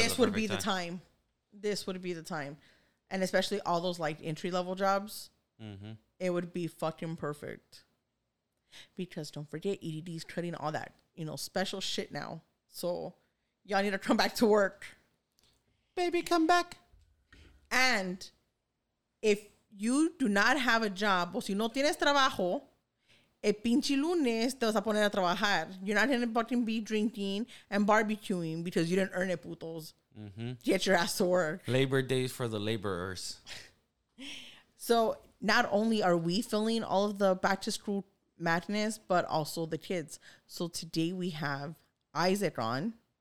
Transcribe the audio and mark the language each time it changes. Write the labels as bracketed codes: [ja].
[en] this would be the time. This would be the time. And especially all those, like, entry-level jobs. Mm-hmm. It would be fucking perfect. Because don't forget, EDD is cutting all that, you know, special shit now. So, y'all need to come back to work. Baby, come back. And if you do not have a job, [es] o si no tienes trabajo, el pinche lunes te vas a poner a trabajar. [en] You're not going to fucking be drinking and barbecuing because you didn't earn it, putos. Mm-hmm. Get your ass to work. Labor days for the laborers. So, not only are we filling all of the back to school madness, but also the kids. So today we have Isaac on.